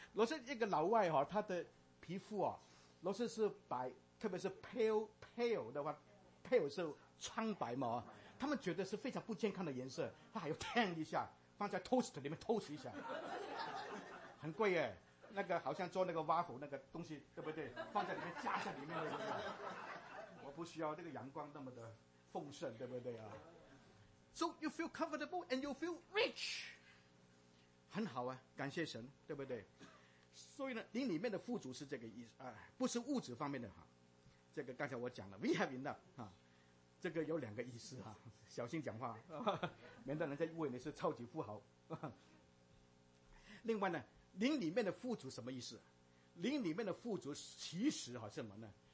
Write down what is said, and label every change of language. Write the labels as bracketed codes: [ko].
[zh] 罗斯一个老外啊，他的皮肤啊，罗斯是白，特别是 pale 的话， pale 是苍白嘛，他们觉得是非常不健康的颜色，他还要 tan 一下，放在 toast 里面 toast 一下，很贵耶，那个好像做那个 waffle 那个东西，对不对？放在里面加在里面的，我不需要那个阳光那么的丰盛，对不对啊？ [en] So you feel comfortable and you feel rich， [zh] 很好啊，感谢神，对不对？所以呢，你里面的富足是这个意思啊，不是物质方面的哈。这个刚才我讲了 ， [en] we have enough [zh] 啊。这个有两个意思啊，小心讲话，免得人家误以为你是超级富豪。另外呢，灵里面的富足什么意思？灵里面的富足其实是什么呢？